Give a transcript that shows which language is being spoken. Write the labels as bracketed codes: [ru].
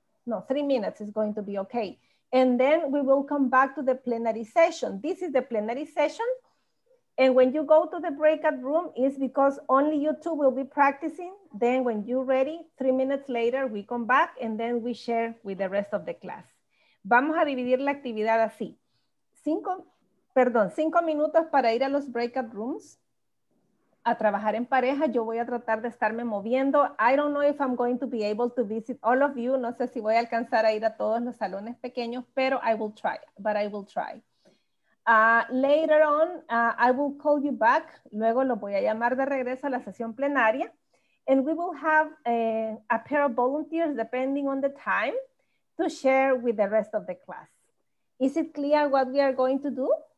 [en] No, 3 minutes is going to be okay. And then we will come back to the plenary session. This is the plenary session. And when you go to the breakout room, it's because only you two will be practicing. Then when you're ready, 3 minutes later, we come back and then we share with the rest of the class. [es] Vamos a dividir la actividad así. Cinco minutos para ir a los breakout rooms a trabajar en pareja. Yo voy a tratar de estarme moviendo. [en] I don't know if I'm going to be able to visit all of you. [es] No sé si voy a alcanzar a ir a todos los salones pequeños, pero I will try, [en] but I will try. Later on, I will call you back. [es] Luego lo voy a llamar de regreso a la sesión plenaria. [en] And we will have a pair of volunteers, depending on the time, to share with the rest of the class. Is it clear what we are going to do?